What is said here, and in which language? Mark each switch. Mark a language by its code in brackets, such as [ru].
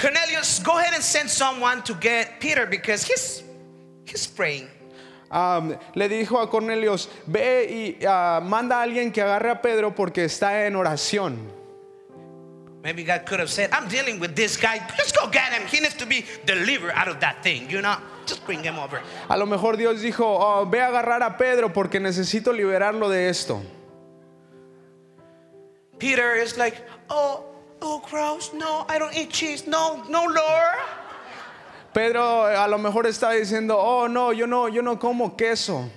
[en] Cornelius, go ahead and send someone to get Peter because he's praying. [es] Le dijo a Cornelius, ve y manda a alguien que agarre a Pedro porque está en oración. [en] Maybe God could have said, I'm dealing with this guy. Just go get him. He needs to be delivered out of that thing. You know, just bring him over. [es] A lo mejor Dios dijo, ve a agarrar a Pedro porque necesito liberarlo de esto. [en] Peter is like, oh, oh, gross. No, I don't eat cheese. No, no, Lord. [es] Pedro a lo mejor estaba diciendo, oh, no, yo no como queso.